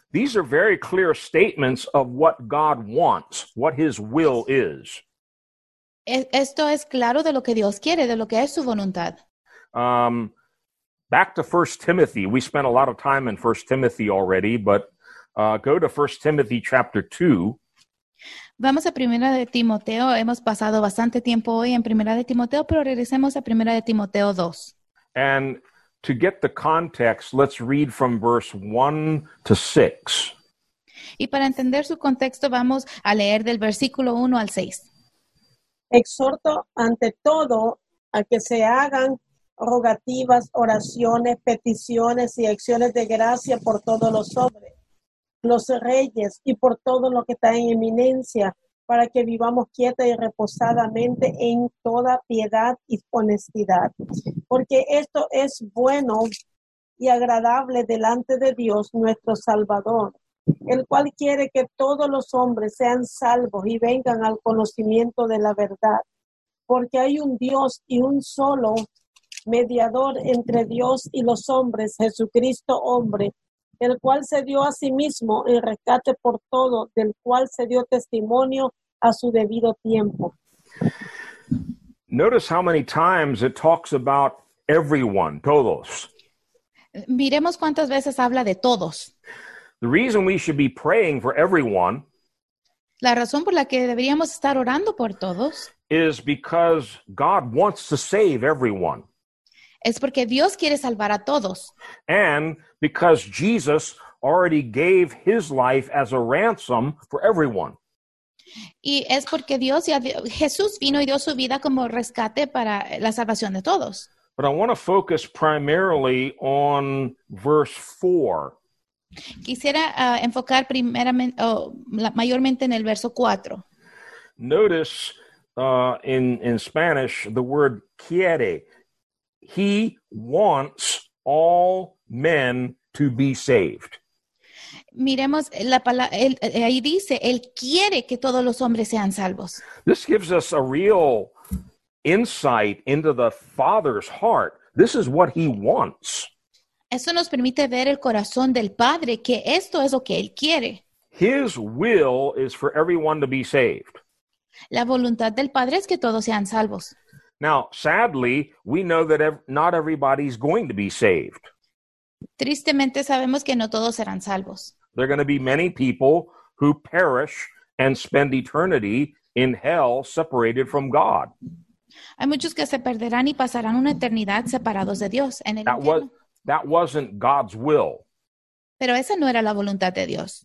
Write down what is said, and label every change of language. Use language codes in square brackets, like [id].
[en] These are very clear statements of what God wants, what his will is. [es] Esto es claro de lo que Dios quiere, de lo que es su voluntad. [en] Back to 1 Timothy. We spent a lot of time in 1 Timothy already, but go to 1 Timothy chapter 2. [es] Vamos a Primera de Timoteo. Hemos pasado bastante tiempo hoy en Primera de Timoteo, pero regresemos a Primera de Timoteo 2. [en] And to get the context, let's read from verse 1 to 6. [es] Y para entender su contexto, vamos a leer del versículo 1 al 6. Exhorto ante todo a que se hagan rogativas, oraciones, peticiones y acciones de gracia por todos los hombres, los reyes y por todo lo que está en eminencia, para que vivamos quieta y reposadamente en toda piedad y honestidad. Porque esto es bueno y agradable delante de Dios, nuestro Salvador, el cual quiere que todos los hombres sean salvos y vengan al conocimiento de la verdad. Porque hay un Dios y un solo mediador entre Dios y los hombres, Jesucristo hombre, el cual se dio a sí mismo en rescate por todo, del cual se dio testimonio a su debido tiempo. [en] Notice how many times it talks about everyone, todos. [es] Miremos cuántas veces habla de todos. [en] The reason we should be praying for everyone, [es] la razón por la que deberíamos estar orando por todos, [en] is because God wants to save everyone. [es] Es porque Dios quiere salvar a todos. [en] And because Jesus already gave his life as a ransom for everyone. [es] Y es porque Dios ya, Jesús vino y dio su vida como rescate para la salvación de todos. [en] But I want to focus primarily on verse 4. [es] Quisiera enfocar primeramente o mayormente en el verso 4. [en] Notice in Spanish the word quiere. He wants all men to be saved. [es] Miremos la palabra, ahí dice, él quiere que todos los hombres sean salvos. [en] This gives us a real insight into the Father's heart. This is what he wants. [es] Eso nos permite ver el corazón del Padre, que esto es lo que él quiere. [en] His will is for everyone to be saved. [es] La voluntad del Padre es que todos sean salvos. [en] Now, sadly, we know that not everybody's going to be saved. [es] Tristemente, sabemos que no todos serán salvos. [en] There are going to be many people who perish and spend eternity in hell separated from God. [es] Hay muchos que se perderán y pasarán una eternidad separados de Dios en el infierno. [en] That wasn't God's will. [es] Pero esa no era la voluntad de Dios.